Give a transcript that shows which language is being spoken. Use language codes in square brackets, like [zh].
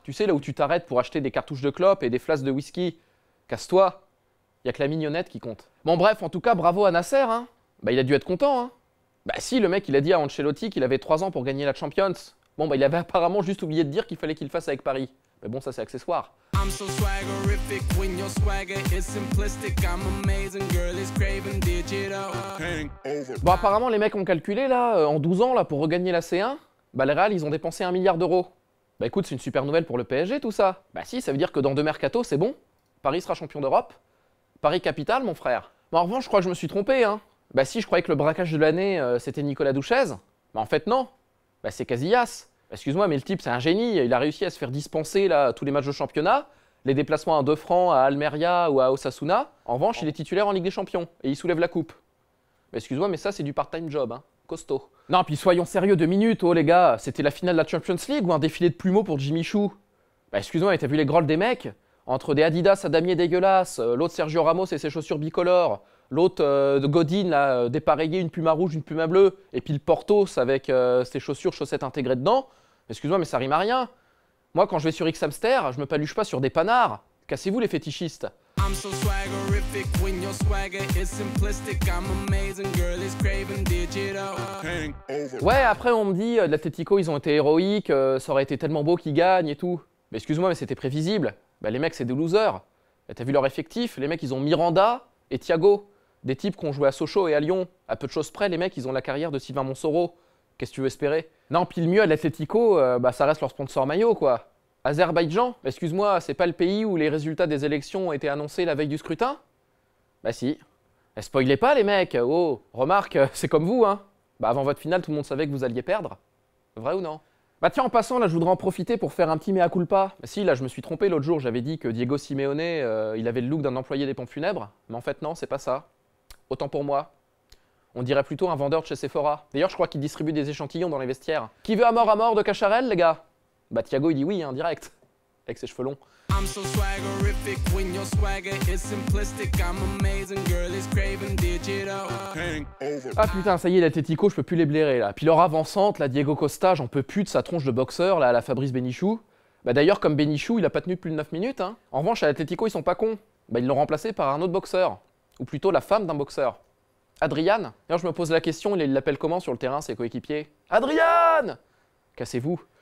[fr] Tu sais, là où tu t'arrêtes pour acheter des cartouches de clopes et des flasques de whisky. Casse-toi. Y a que la mignonnette qui compte. Bon bref, en tout cas, bravo à Nasser, hein. Bah il a dû être content, hein. Bah si, le mec, il a dit à Ancelotti qu'il avait 3 ans pour gagner la Champions. Bon bah il avait apparemment juste oublié de dire qu'il fallait qu'il fasse avec Paris. Mais bon, ça c'est accessoire. [en] I'm so swaggerific when your swagger is simplistic. I'm amazing, girl is craving digital. [fr] Bon apparemment les mecs ont calculé là, en 12 ans là, pour regagner la C1. Bah le Real, ils ont dépensé 1 milliard d'euros. Bah écoute, c'est une super nouvelle pour le PSG tout ça. Bah si, ça veut dire que dans deux mercatos, c'est bon. Paris sera champion d'Europe. Paris capitale, mon frère. Bah en revanche, je crois que je me suis trompé, hein. Bah si, je croyais que le braquage de l'année, c'était Nicolas Duchesne. Bah en fait, non. Bah c'est Casillas. Excuse-moi, mais le type, c'est un génie. Il a réussi à se faire dispenser là tous les matchs de championnat, les déplacements à Defrant, à Almeria ou à Osasuna. En revanche, il est titulaire en Ligue des Champions et il soulève la coupe. Mais excuse-moi, mais ça, c'est du part-time job, hein. Costaud. Non, puis soyons sérieux 2 minutes, oh les gars. C'était la finale de la Champions League ou un défilé de plumeaux pour Jimmy Choo? Bah excuse-moi, mais t'as vu les grolles des mecs? Entre des Adidas à damier dégueulasses, l'autre Sergio Ramos et ses chaussures bicolores, l'autre de Godin, là, dépareillé, une Puma rouge, une Puma bleue, et puis le Portos avec ses chaussures, chaussettes intégrées dedans. Excuse-moi, mais ça rime à rien. Moi, quand je vais sur X Hamster, je me paluche pas sur des panards. Cassez-vous, les fétichistes. [en] I'm so swaggerific when your swagger is simplistic. I'm amazing, girl is craving digital. [fr] Ouais, après, on me dit de l'Atletico, ils ont été héroïques, ça aurait été tellement beau qu'ils gagnent et tout. Mais excuse-moi, mais c'était prévisible. Bah, les mecs, c'est des losers. T'as vu leur effectif? Les mecs, ils ont Miranda et Thiago. Des types qui ont joué à Sochaux et à Lyon. À peu de choses près, les mecs, ils ont la carrière de Sylvain Montsoro. Qu'est-ce que tu veux espérer? Non, pis le mieux à l'Atletico, bah, ça reste leur sponsor maillot, quoi. Azerbaïdjan? Excuse-moi, c'est pas le pays où les résultats des élections ont été annoncés la veille du scrutin? Bah si. Et spoilez pas, les mecs! Oh, remarque, c'est comme vous, hein. Bah avant votre finale, tout le monde savait que vous alliez perdre. Vrai ou non? Bah tiens, en passant, là, je voudrais en profiter pour faire un petit mea culpa. Bah si, là, je me suis trompé l'autre jour, j'avais dit que Diego Simeone, il avait le look d'un employé des pompes funèbres. Mais en fait, non, c'est pas ça. Autant pour moi. On dirait plutôt un vendeur de chez Sephora. D'ailleurs, je crois qu'il distribue des échantillons dans les vestiaires. Qui veut à mort de Cacharel, les gars? Bah Thiago, il dit oui, hein, direct. Avec ses cheveux longs. [en] I'm so swaggerific when your swagger is simplistic. I'm amazing, girl is craving digital. [fr] Ah putain, ça y est, l'Atletico, je peux plus les blairer là. Puis leur avant-centre, là, Diego Costa, j'en peux plus de sa tronche de boxeur là, à la Fabrice Benichou. Bah d'ailleurs, comme Benichou, il a pas tenu plus de 9 minutes, hein. En revanche, à l'Atletico, ils sont pas cons. Bah ils l'ont remplacé par un autre boxeur. Ou plutôt la femme d'un boxeur. Adrian? D'ailleurs, je me pose la question, il l'appelle comment sur le terrain, ses coéquipiers? Adrian! Cassez-vous.